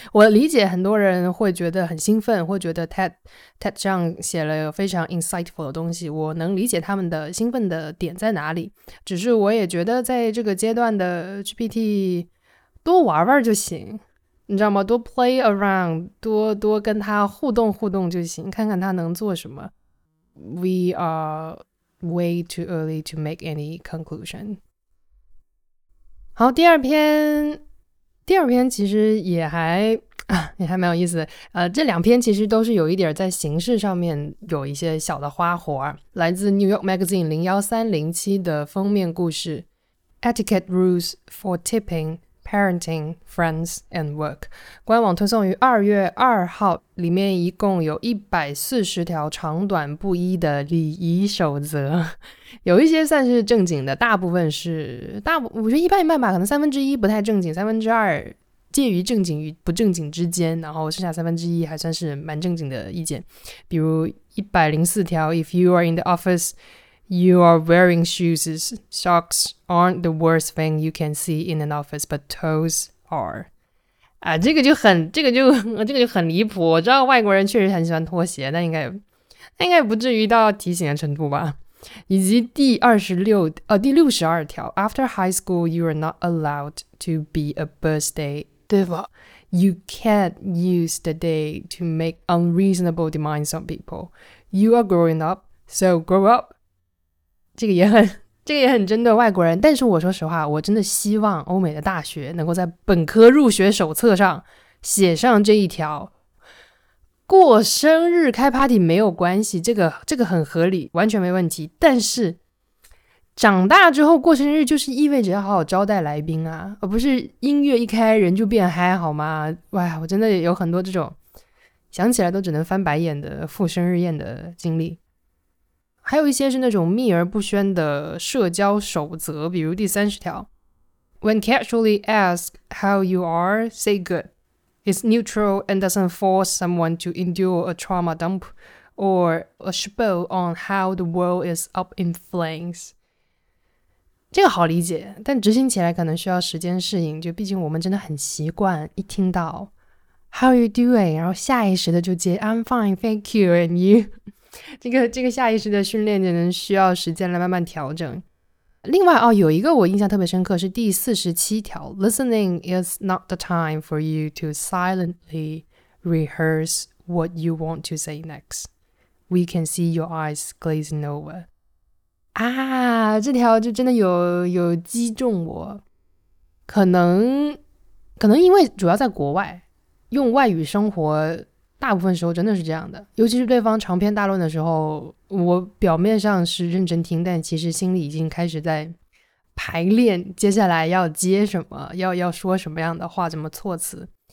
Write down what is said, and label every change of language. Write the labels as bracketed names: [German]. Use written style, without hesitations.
[Chinese] 我理解很多人会觉得很兴奋，会觉得 TED 上写了非常 insightful 的东西，我能理解他们的兴奋的点在哪里。只是我也觉得在这个阶段的 GPT 多玩玩就行，你知道吗？多 play around， 多跟他互动互动就行，看看他能做什么。 [English] We are way too early to make any conclusion。 [Chinese] 好，第二篇其实也还蛮有意思的。这两篇其实都是有一点在形式上面有一些小的花活，来自 New York Magazine 01307的封面故事 Etiquette Rules for Tipping, Parenting, Friends and Work， 官网推送于2月2号，里面一共有140条长短不一的礼仪守则，有一些算是正经的，我觉得一半一半吧，可能三分之一不太正经，三分之二介于正经与不正经之间，然后剩下三分之一还算是蛮正经的意见。比如104条， [English] If you are in the office, you are wearing shoes. Socks aren't the worst thing you can see in an office, but toes are. [Chinese] 这个就很离谱。我知道外国人确实很喜欢拖鞋，但应该不至于到提醒的程度吧。以及第62条 [English] After high school, you are not allowed to be a birthday diver. You can't use the day to make unreasonable demands on people. You are growing up, so grow up. [Chinese] 这个也很针对外国人，但是我说实话，我真的希望欧美的大学能够在本科入学手册上写上这一条。过生日开 party 没有关系，这个很合理，完全没问题。但是长大之后过生日就是意味着要好好招待来宾啊，而不是音乐一开人就变嗨好吗？哇，我真的有很多这种想起来都只能翻白眼的赴生日宴的经历。还有一些是那种秘而不宣的社交守则，比如第三十条 [English] When casually ask how you are, say good. It's neutral and doesn't force someone to endure a trauma dump or a spill on how the world is up in flames. [Chinese] 这个好理解，但执行起来可能需要时间适应，就毕竟我们真的很习惯一听到 [English] How are you doing? [Chinese] 然后下意识的就接 [English] I'm fine, thank you, and you? [Chinese] 这个下意识的训练可能需要时间来慢慢调整。另外哦，有一个我印象特别深刻是第47条 [English] Listening is not the time for you to silently rehearse what you want to say next. We can see your eyes glazing over. [Chinese] 啊，这条就真的有击中我。可能因为主要在国外用外语生活，大部分时候真的是这样的，尤其是对方长篇大论的时候，我表面上是认真听，但其实心里已经开始在排练接下来要接什么，要说什么样的话，怎么措辞。